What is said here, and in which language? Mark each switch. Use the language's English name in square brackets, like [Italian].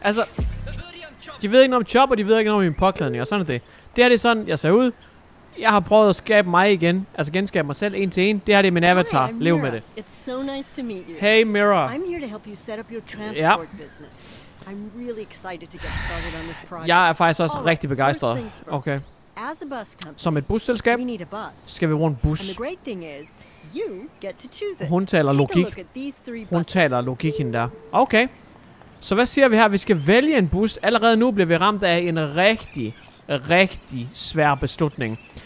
[Danish] Altså, de ved ikke noget om chopper, de ved ikke noget om min påklædning, og sådan er det. Det her, det er sådan, jeg ser ud. Jeg har prøvet at skabe mig igen. Altså, genskabe mig selv en til en. Det her, det er min avatar. [English] Hi, [Danish] lev med det. [English] It's so nice to meet you. Hey, Mira. I'm here to help you set up your transport ja. Business. I'm really excited to get started on this project. [Danish] Jeg er faktisk også rigtig begejstret. Okay. [English] As a bus company, [Danish] som et busselskab, [English] we need a bus. [Danish] Skal vi bruge en bus. [English] And the great thing is, you get to choose it. [Danish] Hun taler logik. Hun taler logik, hende der. Okay. Så hvad siger vi her? Vi skal vælge en bus. Allerede nu bliver vi ramt af en rigtig, rigtig svær beslutning.